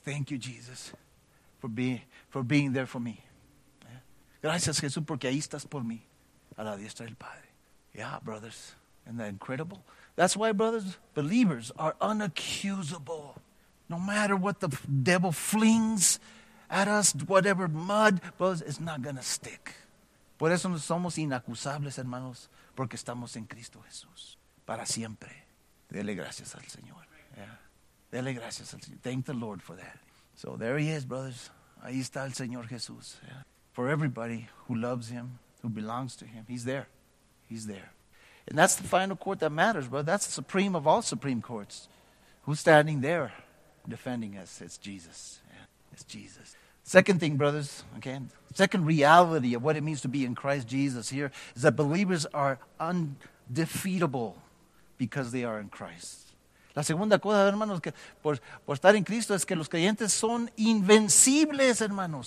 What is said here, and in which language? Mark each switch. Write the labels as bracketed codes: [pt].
[en] Thank you, Jesus, for being there for me. [es] Gracias, Jesús, porque ahí estás por mí, a la diestra del Padre. [en] Yeah, brothers. Isn't that incredible? That's why, brothers, believers are unaccusable. No matter what the devil flings at us, whatever mud, brothers, it's not going to stick. [es] Por eso no somos inacusables, hermanos, porque estamos en Cristo Jesús para siempre. Dele gracias al Señor. Yeah. Dele gracias al Señor. [en] Thank the Lord for that. So there he is, brothers. [es] Ahí está el Señor Jesús. [en] Yeah. For everybody who loves him, who belongs to him, he's there. He's there. And that's the final court that matters, brother. That's the supreme of all supreme courts. Who's standing there defending us? It's Jesus. Yeah. It's Jesus. Second thing, brothers, okay? Second reality of what it means to be in Christ Jesus here is that believers are undefeatable because they are in Christ. [es] La segunda cosa, hermanos, que por estar en Cristo es que los creyentes son invencibles, hermanos.